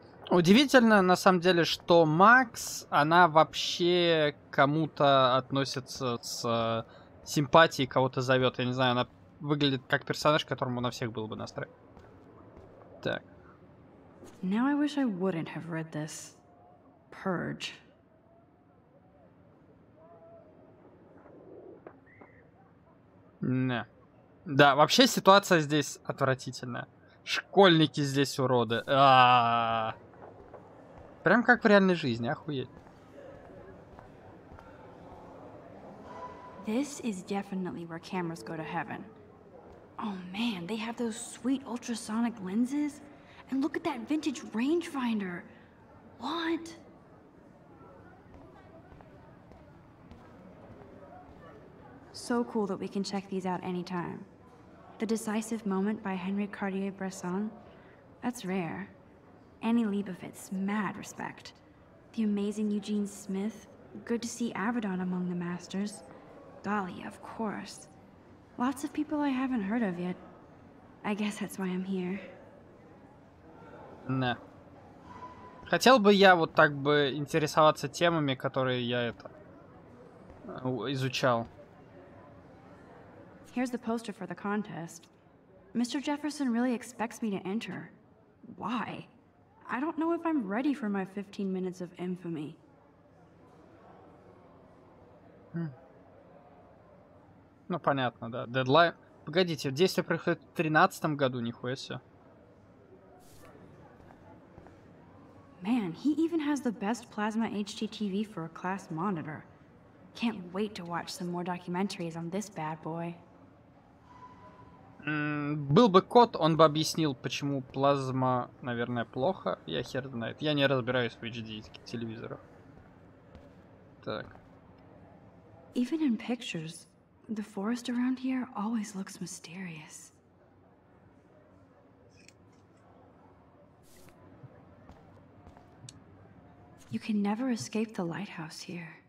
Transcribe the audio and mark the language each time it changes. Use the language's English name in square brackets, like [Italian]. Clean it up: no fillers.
[Russian] Удивительно, на самом деле, что Макс, она вообще кому-то относится с симпатией, кого-то зовет. Я не знаю, она выглядит как персонаж, которому на всех было бы настроение. [English] Now I wish I wouldn't have read this. Purge. [Russian] Не. Да, вообще ситуация здесь отвратительная. Школьники здесь уроды. Прям как в реальной жизни, охуеть. [English] This is definitely where cameras go to heaven. Oh man, they have those sweet ultrasonic lenses. And look at that vintage rangefinder. What? So cool that we can check these out anytime. The Decisive Moment by Henri Cartier-Bresson. That's rare. Annie Leibovitz, mad respect. The amazing Eugene Smith. Good to see Avedon among the masters. Dali, of course. Lots of people I haven't heard of yet. I guess that's why I'm here. [Russian] Не. Хотел бы я вот так бы интересоваться темами, которые я это изучал. [English] Here's the poster for the contest. Mr. Jefferson really expects me to enter. Why? I don't know if I'm ready for my 15 minutes of infamy. [Russian] Ну понятно, да. Дедлайн. Погодите, действие происходит в 13 году, нихуя себе. [English] Man, he even has the best plasma HDTV for a class monitor. Can't wait to watch some more documentaries on this bad boy. [Russian] Был бы кот, он бы объяснил, почему плазма, наверное, плохо. Я хер знает. Я не разбираюсь в HD-телевизорах. Так. [English] Even in pictures, the forest around here always looks mysterious. You can never escape the lighthouse here.